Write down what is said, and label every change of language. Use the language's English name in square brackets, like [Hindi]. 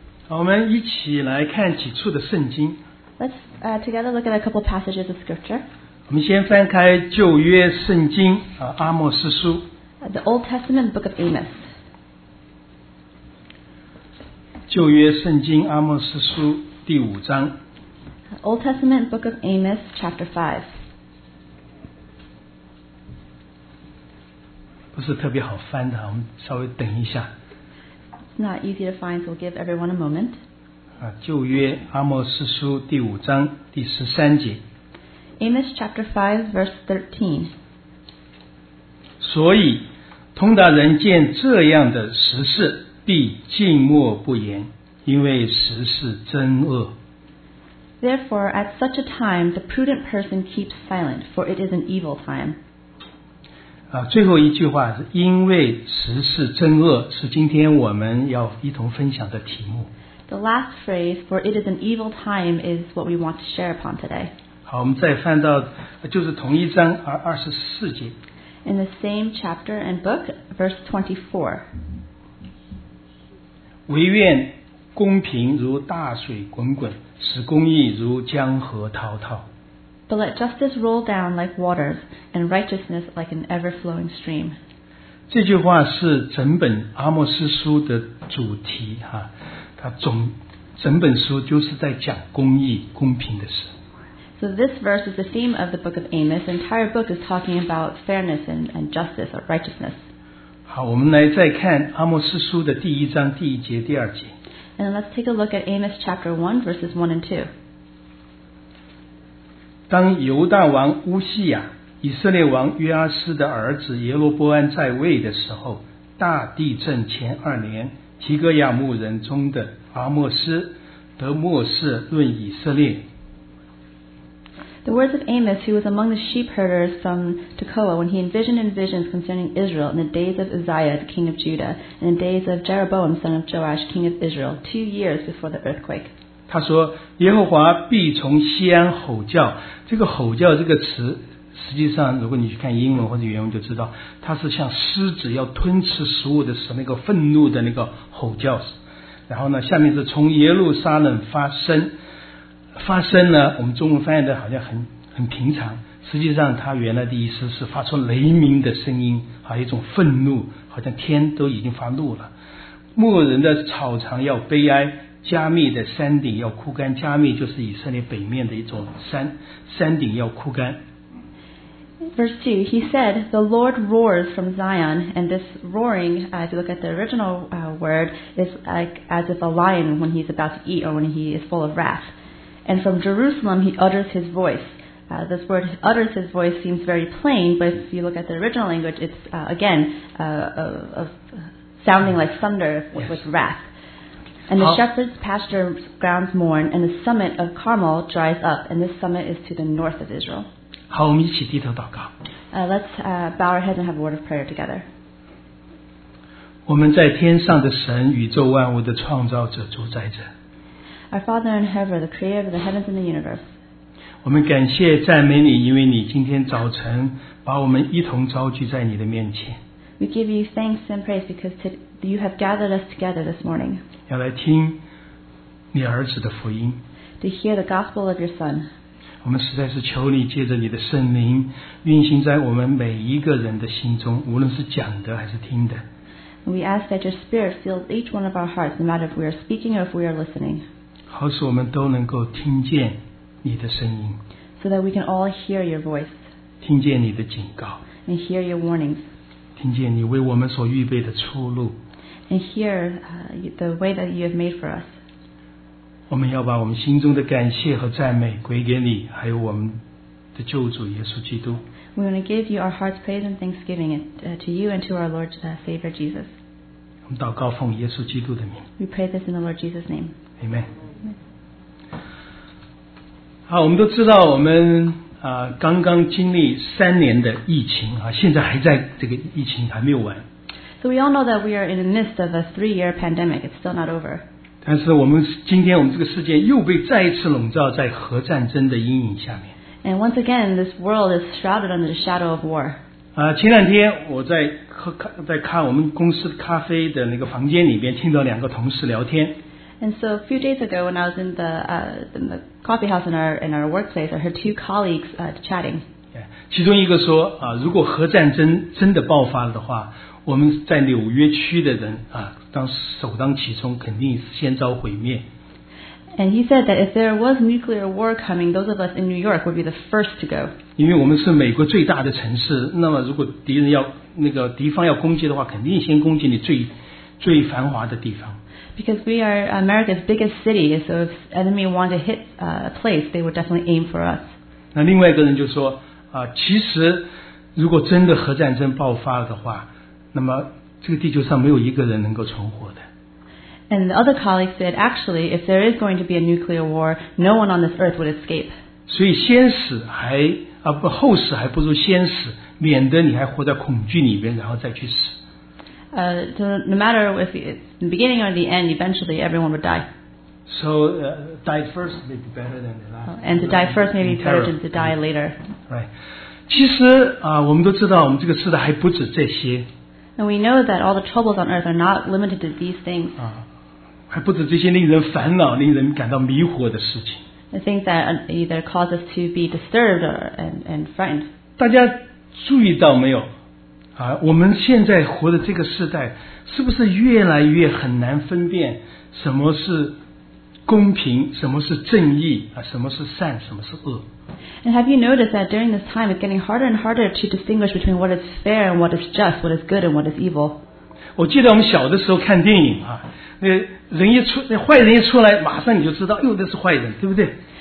[Chinese] 我们一起来看几处的圣经。 [English] Let's together look at a couple passages of scripture. [Chinese] 我们先翻开旧约圣经，阿莫斯书。 [English] The Old Testament book of Amos. [Chinese] 旧约圣经阿莫斯书第五章。 [English] Old Testament book of Amos, chapter 5. [Chinese] 不是特别好翻的，我们稍微等一下。 [English] It's not easy to find, so we'll give everyone a moment. [Chinese] 旧约阿莫斯书第五章第十三节。 [English] Amos chapter 5, verse 13. [Chinese] 所以，通达人见这样的时事，必静默不言，因为时事真恶。 [English] Therefore, at such a time, the prudent person keeps silent, for it is an evil time. [Chinese] 最后一句话是因为时事真恶是今天我们要一同分享的题目。 [English] The last phrase, for it is an evil time, is what we want to share upon today. [Chinese] 好，我们再翻到就是同一章二十四节。 [English] In the same chapter and book, verse 24. [Chinese] 唯愿公平如大水滚滚，使公义如江河滔滔。 [English] But let justice roll down like waters, and righteousness like an ever-flowing stream. [Chinese] 这句话是整本阿莫斯书的主题，它整本书就是在讲公义、公平的事。 [English] So this verse is the theme of the book of Amos. The entire book is talking about fairness and justice or righteousness. [Chinese] 好，我们来再看阿莫斯书的第一章第一节、第二节。 [English] And let's take a look at Amos chapter 1, verses 1 and 2. [Chinese] 当犹大王乌西亚、以色列王约阿斯的儿子耶罗波安在位的时候，大地震前二年，提哥亚牧人中的阿莫斯得末世论以色列。 [English] The words of Amos, who was among the sheepherders from Tekoa, when he envisioned in visions concerning Israel in the days of Uzziah, the king of Judah, and in the days of Jeroboam, son of Joash, king of Israel, 2 years before the earthquake. [Chinese] 他说耶和华必从锡安吼叫，这个吼叫这个词实际上如果你去看英文或者原文就知道，它是像狮子要吞吃食物的时候那个愤怒的那个吼叫。然后呢，下面是从耶路撒冷发声呢，我们中文翻译的好像很平常，实际上它原来的意思是发出雷鸣的声音，还有一种愤怒，好像天都已经发怒了。牧人的草场要悲哀，加密的山顶要枯干，加密就是以色列北面的一种山，山顶要枯干。 [English] Verse 2, he said, the Lord roars from Zion, and this roaring, if you look at the original word, is like as if a lion when he's about to eat or when he is full of wrath. And from Jerusalem, he utters his voice. This word utters his voice seems very plain, but if you look at the original language, it's sounding like thunder with wrath. And the shepherd's pasture grounds mourn, and the summit of Carmel dries up, and this summit is to the north of Israel. [Chinese] 好，我们一起低头祷告。 [English] Bow our heads and have a word of prayer together. [Chinese] 我们在天上的神，宇宙万物的创造者、主宰者。 [English] Our Father in heaven, the creator of the heavens and the universe. [Chinese] 我们感谢赞美你，因为你今天早晨把我们一同召聚在你的面前。 [English] We give you thanks and praise because you have gathered us together this morning. [Chinese] 要来听你儿子的福音。 [English] To hear the gospel of your son. [Chinese] 我们实在是求你借着你的圣灵运行在我们每一个人的心中，无论是讲的还是听的。 [English] We ask that your spirit fills each one of our hearts, no matter if we are speaking or if we are listening. [Chinese] 好使我们都能够听见你的声音。 [English] So that we can all hear your voice. [Chinese] 听见你的警告。 [English] And hear your warnings. [Chinese] 听见你为我们所预备的出路。 [English] And hear the way that you have made for us. [Chinese] 我们要把我们心中的感谢和赞美归给你，还有我们的救主耶稣基督。 [English] We want to give you our heart's praise and thanksgiving to you and to our Lord Savior Jesus. [Chinese] 我们祷告奉耶稣基督的名。 [English] We pray this in the Lord Jesus' name. Amen. [Chinese] 好，我们都知道我们刚刚经历三年的疫情啊，现在还在这个疫情还没有完。 [English] So we all know that we are in the midst of a 3-year pandemic. It's still not over. [Chinese] 但是我们今天我们这个世界又被再一次笼罩在核战争的阴影下面。 [English] And once again, this world is shrouded under the shadow of war. [Chinese] 前两天我在看我们公司咖啡的那个房间里边，听到两个同事聊天。 [English] And so a few days ago, when I was in the coffee house in our workplace, I heard two colleagues chatting. [Chinese] Yeah, 其中一个说啊，如果核战争真的爆发了的话，我们在纽约区的人啊，当首当其冲，肯定先遭毁灭。 [English] And he said that if there was nuclear war coming, those of us in New York would be the first to go. [Chinese] 因为我们是美国最大的城市，那么如果敌人要那个敌方要攻击的话，肯定先攻击你最繁华的地方。 [English] Because we are America's biggest city, so if enemy want to hit a place, they would definitely aim for us. [Chinese] 那另外一个人就说啊，其实如果真的核战争爆发了的话，那么这个地球上没有一个人能够存活的。 [English] And the other colleague said, actually, if there is going to be a nuclear war, no one on this earth would escape. [Chinese] 所以先死还不后死还不如先死，免得你还活在恐惧里面，然后再去死。 [English] So no matter if it's the beginning or the end, eventually everyone would die. So die first may be better than the last. And to die first may be better than to die later. Right. [Chinese] 其实我们都知道，我们这个世代还不止这些。 [English] And we know that all the troubles on earth are not limited to these things. [Chinese] 还不止这些令人烦恼、令人感到迷惑的事情。 [English] The things that either cause us to be disturbed or and frightened. [Chinese] 大家注意到没有？我们现在活的这个时代，是不是越来越很难分辨什么是公平、什么是正义、什么是善、什么是恶？ [English] And have you noticed that during this time, it's getting harder and harder to distinguish between what is fair and what is just, what is good and what is evil? [Chinese] 我记得我们小的时候看电影那人一出，那坏人一出来，马上你就知道，哟，那是坏人，对不对？